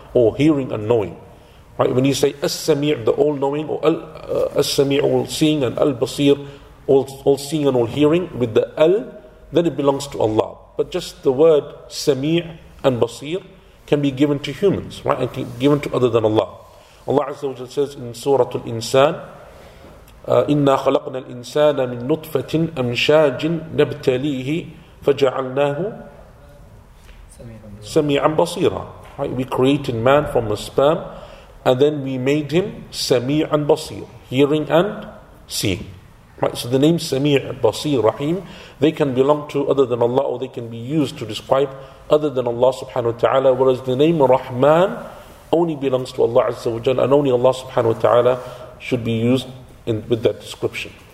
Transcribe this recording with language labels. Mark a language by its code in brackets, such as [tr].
[en] Or hearing and knowing. Right, when you say As-Sami' the all knowing, or As-Sami' all seeing, and Al-Basir all seeing and all hearing, with the Al, then it belongs to Allah. But just the word Sami' and Basir can be given to humans, right? And can be given to other than Allah. Allah Azza wa Jalla says in Surah Al-Insan, [ar] إِنَّا خَلَقْنَا الْإِنسَانَ مِنْ نُطْفَةٍ أَمْشَاجٍ نَبْتَلِيهِ فَجَعَلْنَاهُ سَمِيعًا بَصِيرًا. [en] Right? We created man from a sperm, and then we made him [ar] سَمِيعًا بَصِيرًا, [en] hearing and seeing. Right? So the name Sami' Basir Rahim, they can belong to other than Allah, or they can be used to describe other than Allah subhanahu wa ta'ala, whereas the name Rahman only belongs to Allah Azza wa Jalla, and only Allah subhanahu wa ta'ala should be used with that description.